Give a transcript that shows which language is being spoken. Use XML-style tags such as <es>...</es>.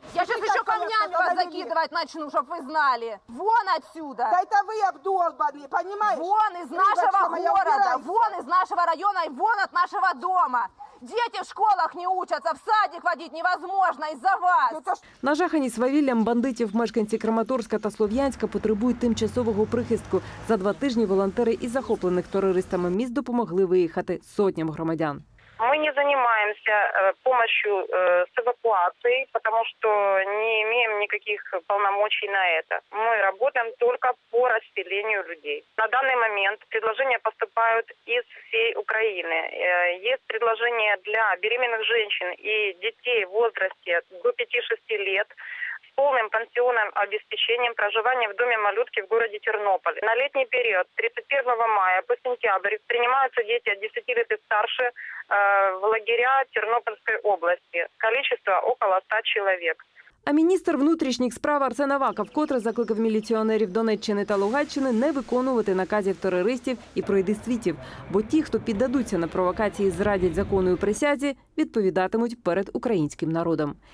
<uk>Я ж хочу камінням вас закидувати,</uk> <ru>начну,</ru> <uk>щоб ви знали.</uk> <ru>Вон отсюда. Да это вы обдолбанные, понимаешь? Вон из нашего города, вон из нашего района, вон от нашего дома. Дети в школах не учатся, в садик водить невозможно</ru> <uk>із-за</uk> <ru>вас.</ru> <uk>Нажахані свавіллям бандитів мешканці Краматорська та Слов'янська потребують тимчасового прихистку. За два тижні волонтери із захоплених терористами міст допомогли виїхати сотням громадян.</uk> <ru>Мы не занимаемся помощью с эвакуацией, потому что не имеем никаких полномочий на это. Мы работаем только по расселению людей. На данный момент предложения поступают из всей Украины. Есть предложения для беременных женщин и детей в возрасте до 5-6 лет с полным пансионным обеспечением проживания в доме малютки в городе Тернополь. На летний период 31 мая по сентябрь принимаются дети от 10 лет и старше в лагеря</ru> <uk>Тернопільської області.</uk> <ru>Количество около 100</ru> <uk>чоловік. А міністр внутрішніх справ Арсен Аваков вкотре закликав міліціонерів Донеччини та Луганщини не виконувати наказів терористів і пройдисвітів. Бо ті, хто піддадуться на провокації, зрадять закону і присязі, відповідатимуть перед українським народом.</uk>